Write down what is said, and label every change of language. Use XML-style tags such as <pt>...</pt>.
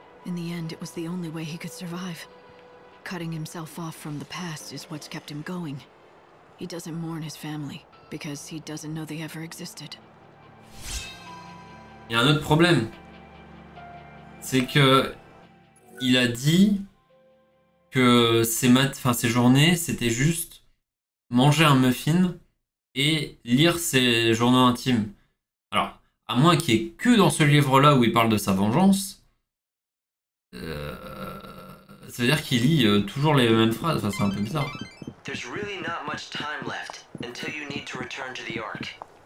<en>In the end, it was the only way he could survive. Cutting himself off from the past is what's kept him going. He doesn't mourn his family because he doesn't know they ever existed.</en> <fr>Il y a un autre problème. C'est que il a dit que ses journées, c'était juste manger un muffin et lire ses journaux intimes. Alors, à moins qu'il n'y ait que dans ce livre-là où il parle de sa vengeance. C'est-à-dire qu'il lit toujours les mêmes phrases, enfin, c'est un peu bizarre.</fr> <en>There's really not much time left until you need to return to the Ark.</en>